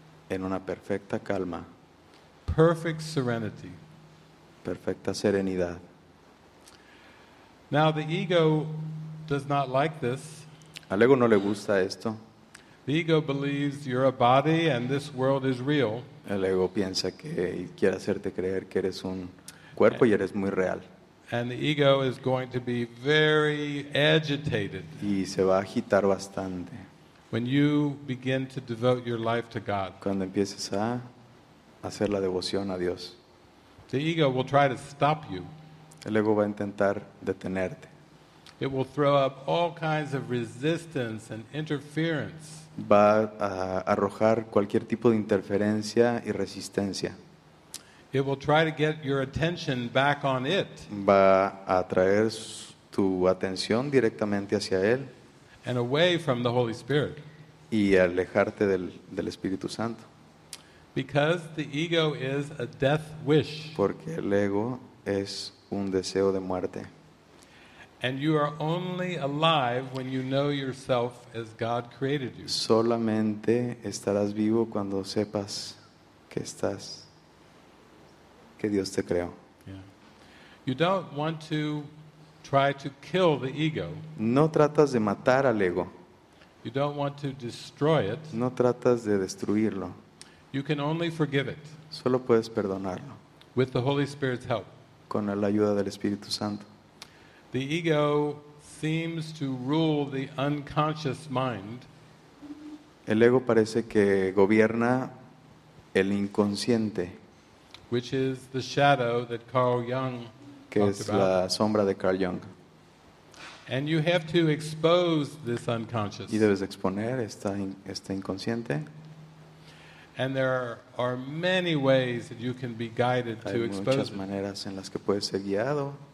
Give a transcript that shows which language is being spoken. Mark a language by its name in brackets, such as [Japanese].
[Spanish] En una perfecta calma. [English] Perfect serenity. [Spanish] Perfecta serenidad. [English] Now the ego does not like this. [Spanish] Al ego no le gusta esto. [English] The ego believes you're a body and this world is real. [Spanish] El ego piensa que quiere hacerte creer que eres un cuerpo y eres muy real. [English] And the ego is going to be very agitated. [Spanish] Y se va a agitar bastante. [English] When you begin to devote your life to God. [Spanish] Cuando empieces a hacer la devoción a Dios. [English] The ego will try to stop you. [Spanish] El ego va a intentar detenerte. [English] It will throw up all kinds of resistance and interference. [Spanish] Va a arrojar cualquier tipo de interferencia y resistencia. [English] It will try to get your attention back on it. [Spanish] Va a atraer tu atención directamente hacia él. [English] And away from the Holy Spirit. [Spanish] Y alejarte del Espíritu Santo. [English] Because the ego is a death wish. [Spanish] Porque el ego es un deseo de muerte. [English] And you are only alive when you know yourself as God created you. [Spanish] Solamente estarás vivo cuando sepas que estás, que Dios te creó. [English] Yeah. You don't want to try to kill the ego. [Spanish] No tratas de matar al ego. [English] You don't want to destroy it. [Spanish] No tratas de destruirlo. [English] You can only forgive it. [Spanish] Solo puedes perdonarlo. [English] With the Holy Spirit's help. [Spanish] Con la ayuda del Espíritu Santo. [English] The ego seems to rule the unconscious mind. [Spanish] El ego parece que gobierna el inconsciente. [English] Which is the shadow that Carl Jung talked about. [Spanish] Que es la sombra de Carl Jung. [English] And you have to expose this unconscious. [Spanish] Y debes exponer este inconsciente. [English] And there are many ways that you can be guided to expose it. [Spanish] Hay muchas maneras en las que puedes ser guiado.